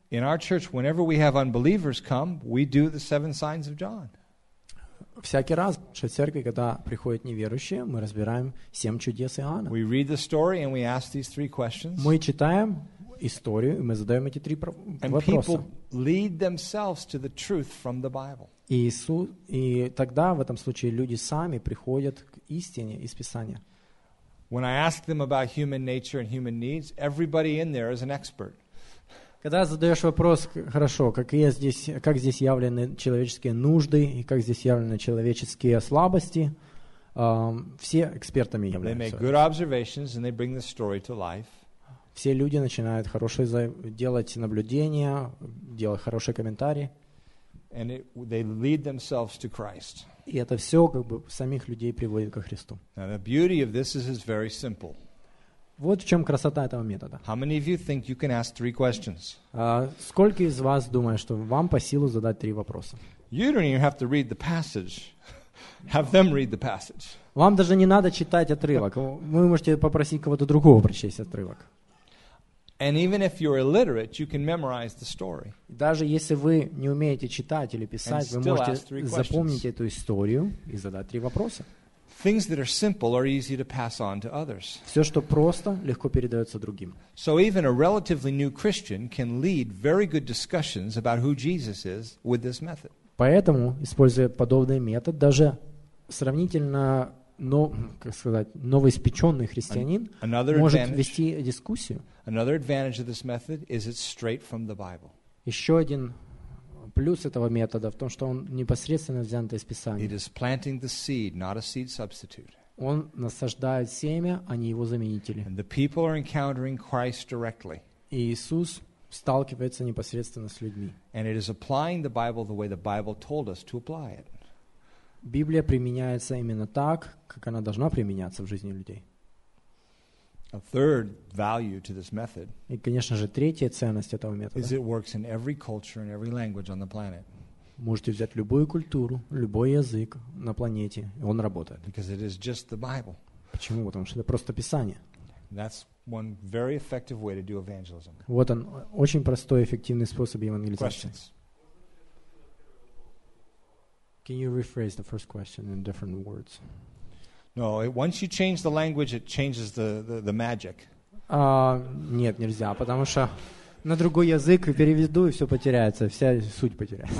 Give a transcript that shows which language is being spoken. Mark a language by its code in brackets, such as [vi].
[en] In our church, whenever we have unbelievers come, we do the seven signs of John. [ru] Всякий раз в нашей церкви, когда приходят неверующие, мы разбираем семь чудес Иоанна. [en] We read the story and we ask these three questions. [ru] Мы читаем историю и мы задаем эти три вопроса. [en] And people lead themselves to the truth from the Bible. [ru] И тогда в этом случае люди сами приходят к истине из Писания. [en] When I ask them about human nature and human needs, everybody in there is an expert. [ru] Когда задаешь вопрос, хорошо, как здесь явлены человеческие нужды и как здесь явлены человеческие слабости, все экспертами являются. [en] They make good observations and they bring the story to life. [ru] Все люди начинают хорошие делать наблюдения, делать хорошие комментарии. [en] And they lead themselves to Christ. [ru] И это все как бы самих людей приводит ко Христу. [en] Now the beauty of this is it's very simple. [ru] Вот в чем красота этого метода. [en] How many of you think you can ask three questions? [ru] Сколько из вас думают, что вам по силу задать три вопроса? [en] You don't even have to read the passage. Have them read the passage. [ru] Вам даже не надо читать отрывок. Вы можете попросить кого-то другого прочесть отрывок. [en] And even if you're illiterate, you can memorize the story. [ru] Даже если вы не умеете читать или писать, вы можете запомнить эту историю и задать три вопроса. [en] Things that are simple are easy to pass on to others. [ru] Все, что просто, легко передается другим. [en] So even a relatively new Christian can lead very good discussions about who Jesus is with this method. [ru] Поэтому, используя подобный метод, даже сравнительно новоиспеченный христианин может вести дискуссию. [en] Another advantage of this method is it's straight from the Bible. [ru] Еще один плюс этого метода в том, что он непосредственно взят из Писания. [en] It is planting the seed, not a seed substitute. [ru] Он насаждает семя, а не его заменители. [en] And the people are encountering Christ directly. [ru] И Иисус сталкивается непосредственно с людьми. [en] And it is applying the Bible the way the Bible told us to apply it. [ru] Библия применяется именно так, как она должна применяться в жизни людей. [en] A third value to this method. [ru] И, конечно же, третья ценность этого метода. [en] Is it works in every culture and every language on the planet. [ru] Можете взять любую культуру, любой язык на планете, и он работает. [en] Because it is just the Bible. [ru] Почему? Потому что это просто Писание. [en] That's one very effective way to do evangelism. [ru] Вот он, очень простой эффективный способ евангелизации. [en] Questions. Can you rephrase the first question in different words? No, once you change the language, it changes the magic. [ru] Нет, нельзя, потому что на другой язык переведу, и все потеряется, вся суть потеряется.